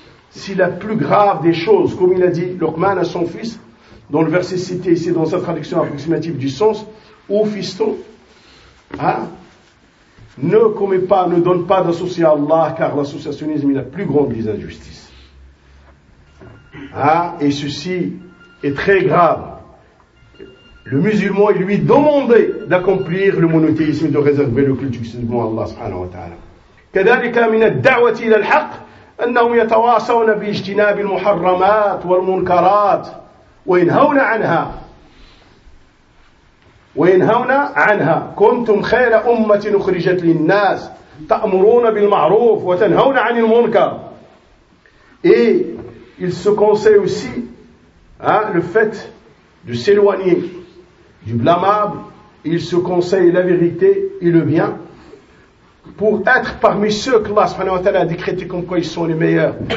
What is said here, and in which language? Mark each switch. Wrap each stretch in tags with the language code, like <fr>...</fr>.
<fr>C'est la plus grave des choses, comme il a dit Luqman à son fils, dont le verset cité ici dans sa traduction approximative du sens: ô fiston, ne commets pas, ne donne pas d'associé à Allah, car l'associationnisme est la plus grande des injustices. Et ceci est très grave. Le musulman est lui demandé d'accomplir le monothéisme, de réserver le culte exclusivement à Allah subhanahu wa ta'ala.</fr> <ar>كذلك من الدعوة إلى الحق أنهم يتواصون باجتناب المحرمات والمنكرات وينهون عنها وينهون عنها. كنتم خير أمة أخرجت للناس تأمرون بالمعروف وتنهون عن المنكر.</ar> <fr>Ils se conseillent aussi le fait de s'éloigner du blâmable. Ils se conseillent la vérité et le bien pour être parmi ceux que Allah subhanahu wa ta'ala a décrété comme quoi ils sont les meilleurs.</fr>